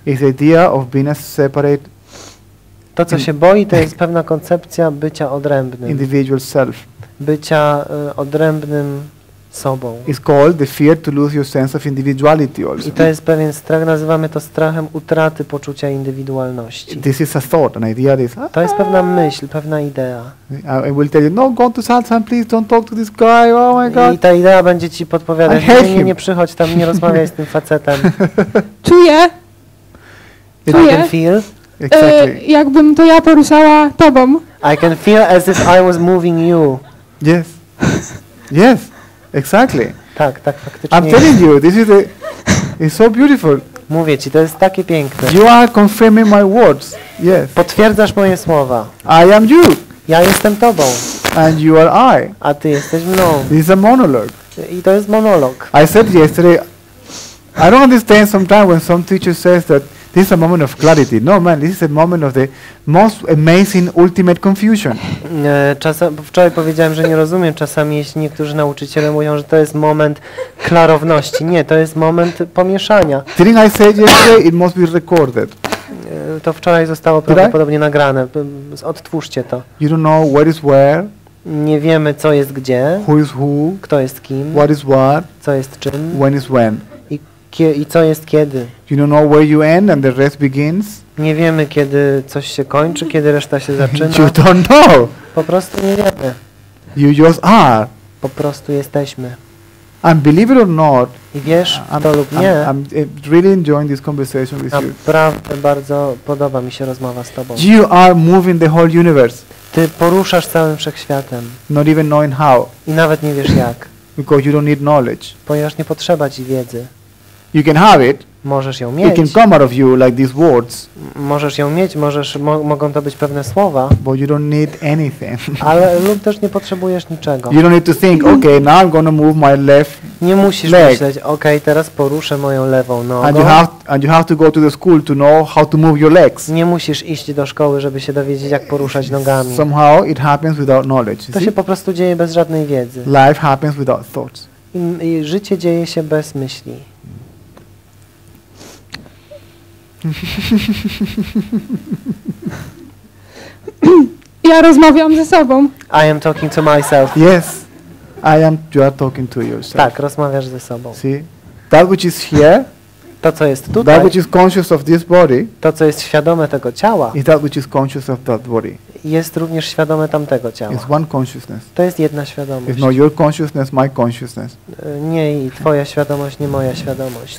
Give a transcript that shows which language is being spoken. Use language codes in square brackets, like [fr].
[en] Is the idea of being a separate. [pl] To co się boi, to jest pewna koncepcja bycia odrębnym. [en] Individual self. [pl] Bycia odrębnym sobą. [en] It's called the fear to lose your sense of individuality also. [pl] I to jest pewien strach, nazywamy to strachem utraty poczucia indywidualności. [en] This is a thought, an idea is. [pl] To jest pewna myśl, pewna idea. [en] I will tell you, no, go to salsa, please don't talk to this guy. Oh my God. [pl] I ta idea będzie ci podpowiadać, nie przychodź tam, nie rozmawiaj z tym facetem. Czuję. Czuję. [en] I can feel. Exactly. [pl] Jakbym to ja poruszała tobą. [en] I can feel as if I was moving you. Yes. Yes. Exactly. [pl] Tak, tak, faktycznie. [en] I'm telling you, this is it's so beautiful. [pl] Mówię ci, to jest takie piękne. [en] You are confirming my words. Yes. [pl] Potwierdzasz moje słowa. [en] I am you. [pl] Ja jestem tobą. [en] And you are I. [pl] A ty jesteś mną. [en] This is a monologue. [pl] I to jest monolog. [en] I said yesterday, I don't understand sometimes when some teacher says that this is a moment of clarity. No man, this is a moment of the most amazing ultimate confusion. [pl] Wczoraj powiedziałem, że nie rozumiem czasami, jeśli niektórzy nauczyciele mówią, że to jest moment klarowności. Nie, to jest moment pomieszania. [en] Didn't I say yesterday it must be recorded. [pl] To wczoraj zostało prawdopodobnie nagrane. Odtwórzcie to. [en] You don't know where is where. [pl] Nie wiemy, co jest gdzie. [en] Who is who? [pl] Kto jest kim? [en] What is what? [pl] Co jest czym? [en] When is when? [pl] I co jest kiedy? [en] You don't know where you end and the rest begins? [pl] Nie wiemy, kiedy coś się kończy, kiedy reszta się zaczyna. [en] You don't know. [pl] Po prostu nie wiemy. [en] You just are. [pl] Po prostu jesteśmy. [en] And believe it or not, [pl] i wiesz [en] I'm, [pl] to lub nie, [en] I'm really enjoying this conversation with [pl] naprawdę [en] you. [pl] Naprawdę bardzo podoba mi się rozmowa z tobą. [en] You are moving the whole universe. [pl] Ty poruszasz całym wszechświatem. [en] Not even knowing how. [pl] I nawet nie wiesz jak. [en] Because you don't need knowledge. [pl] Ponieważ nie potrzeba ci wiedzy. [en] You can have it. [pl] Możesz ją mieć. [en] It can come out of you like these words. [pl] Możesz ją mieć, możesz, mogą to być pewne słowa. [en] But you don't need anything. [pl] Ale lub też nie potrzebujesz niczego. [en] You don't need to think, okay, now I'm gonna move my left leg. [pl] Nie musisz myśleć, okay, teraz poruszę moją lewą nogą. [en] And you have to go to the school to know how to move your legs. [pl] Nie musisz iść do szkoły, żeby się dowiedzieć, jak poruszać nogami. [en] Somehow it happens without knowledge. [pl] To się po prostu dzieje bez żadnej wiedzy. [en] Life happens without thoughts. [pl] I życie dzieje się bez myśli. Ja rozmawiam ze sobą. [en] I am talking to myself. Yes. You are talking to yourself. [pl] Tak, rozmawiasz ze sobą. [en] See? That which is here, [pl] to co jest tutaj. [en] That which is conscious of this body, [pl] to co jest świadome tego ciała. [en] Is that which is conscious of that body. [pl] Jest również świadome tamtego ciała. [en] It's one consciousness. [pl] To jest jedna świadomość. [en] It's not your consciousness, my consciousness. [pl] Nie, i twoja świadomość, nie moja świadomość.